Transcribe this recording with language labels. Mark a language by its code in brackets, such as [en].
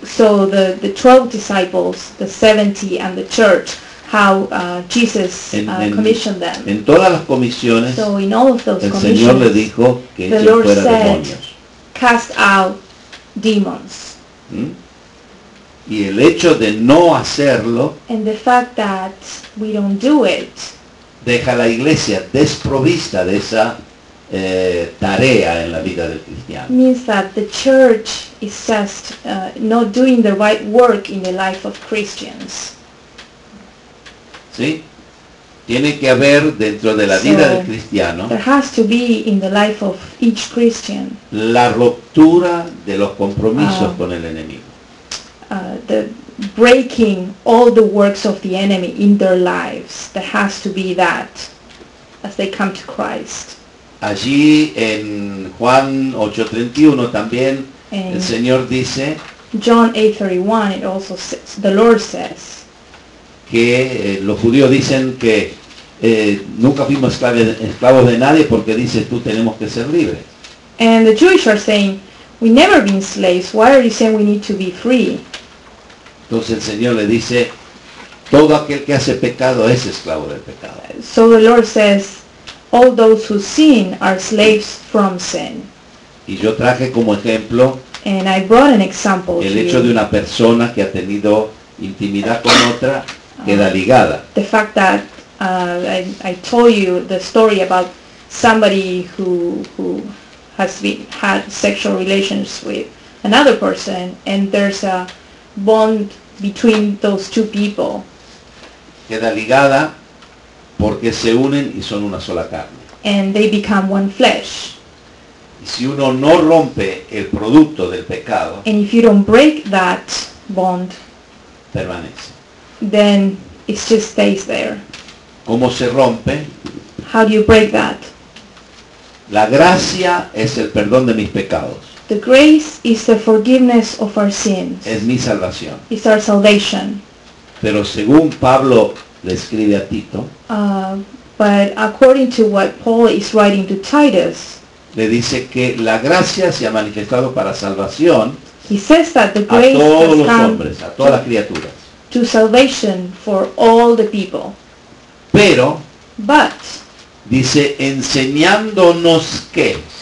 [en] So the 12 disciples, the 70 and the church, how Jesus commissioned them. [es] En todas las comisiones, [en] so in all of those [es] el Señor le dijo que [en] the Lord [es] fuera [en] said, [es] demonios. [en] Cast out demons. ¿Mm? [es] Y el hecho de no hacerlo, [en] and the fact that we don't do it, [es] deja a la iglesia desprovista de esa tarea en la vida del cristiano. [en] Means that the church is just not doing the right work in the life of Christians. [es] ¿Sí? Tiene que haber dentro de la vida del cristiano. [en] There has to be in the life of each Christian. [es] La ruptura de los compromisos con el enemigo. [en] The breaking all the works of the enemy in their lives. There has to be that as they come to Christ. [es] Allí en Juan 8:31 también [en] and [es] el Señor dice [en] John 8:31 it also says, the Lord says [es] que los judíos dicen que nunca fuimos esclavos de nadie porque dice tú tenemos que ser libres. [en] And the Jewish are saying we never been slaves, why are you saying we need to be free? [es] Entonces el Señor le dice todo aquel que hace pecado es esclavo del pecado. [en] So the Lord says all those who sin are slaves from sin. [es] Y yo traje como ejemplo [en] and I brought an example [es] el hecho de una persona que ha tenido intimidad con otra queda ligada. [en] The fact that I told you the story about somebody who has been had sexual relations with another person and there's a bond between those two people. [es] Queda ligada porque se unen y son una sola carne. [en] And they become one flesh. [es] Y si uno no rompe el producto del pecado, [en] and if you don't break that bond, [es] permanece. [en] Then it just stays there. [es] ¿Cómo se rompe? [en] How do you break that? [es] La gracia es el perdón de mis pecados. [en] The grace is the forgiveness of our sins. [es] Es mi salvación. [en] It's our salvation. [es] Pero según Pablo le escribe a Tito, [en] But according to what Paul is writing to Titus, [es] le dice que la gracia se ha manifestado para salvación, [en] he says that the grace [es] a todos los hombres, a todas las criaturas, [en] to salvation for all the people. [es] Pero, [en] but, [es] dice, enseñándonos qué.